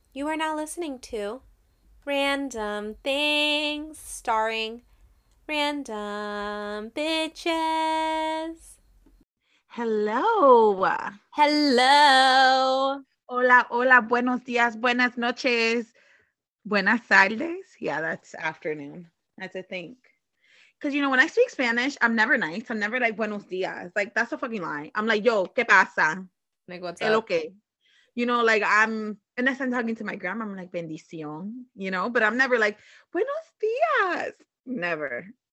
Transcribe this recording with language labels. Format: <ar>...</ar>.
<en>You are now listening to Random Things, starring Random Bitches. Hello. Hello.</en> <es>Hola, hola, buenos días, buenas noches, buenas tardes.</es> <en>Yeah, that's afternoon, that's a thing. Because, you know, when I speak Spanish, I'm never nice. I'm never like,</en> <es>buenos días.</es> <en>Like, that's a fucking lie. I'm like,</en> <es>yo, ¿qué pasa?</es> <en>Like, what's El up? Okay. You know, like, I'm, unless I'm talking to my grandma, I'm like, bendición, you know? But I'm never like,</en> <es>buenos días.</es> <en>Never.</en>